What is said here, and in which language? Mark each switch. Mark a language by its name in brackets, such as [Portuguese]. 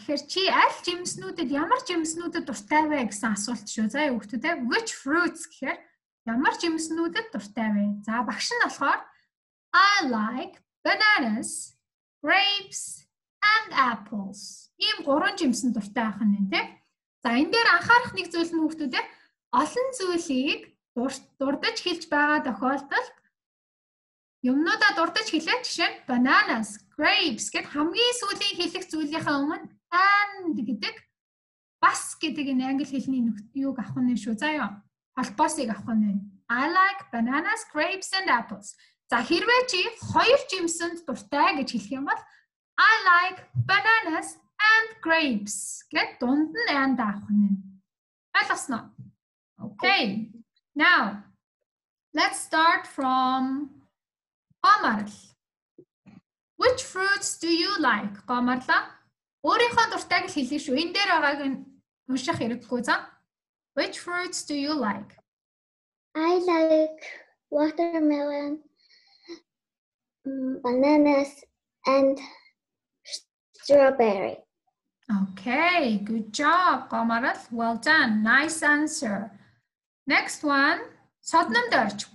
[Mongolian] Гэхдээ чи аль жимснүүдэд ямар жимснүүдэд дуртай вэ гэсэн асуулт шүү. За, хүүхдүүд ээ. [English] Which fruits [Mongolian] гэхээр ямар жимснүүдэд дуртай вэ? За, багш нь болохоор [English] I like bananas, grapes, and apples. [Mongolian] Ийм гурван жимс нь дуртай ах нь тий. За энэ дээр анхаарах нэг зүйл нь хүүхдүүд ээ. Олон зүйлийг дурдаж хэлж байгаа тохиолдолд юмнуудаа дурдаж хэлээ. Жишээ нь bananas, grapes гэд хамгийн сүүлийн хэлэх зүйлийнхаа өмнө and гэдэг бас гэдэг энэ англи хэлний юуг авах нь шүү. За ёо. Холбоосыг авах нь. [English] I like bananas, grapes and apples. [Mongolian] За хэрвээ чи хоёр жимсэнд дуртай гэж хэлэх юм бол [English] I like bananas and grapes [Mongolian] гэд дунд нь and авах нь. Ойлгосноо? Okay. [English] Now, let's start from Omarl. Which fruits do you like, Omarla? [Mongolian] Өөрийнхөө дуртай гэж хэлээ шүү. Энд дээр байгааг нь унших хэрэггүй заа. [English] Which fruits do you like? I like watermelon. Bananas and strawberry. Okay, good job, Gomaral. Well done. Nice answer. Next one, Sodnamdarch.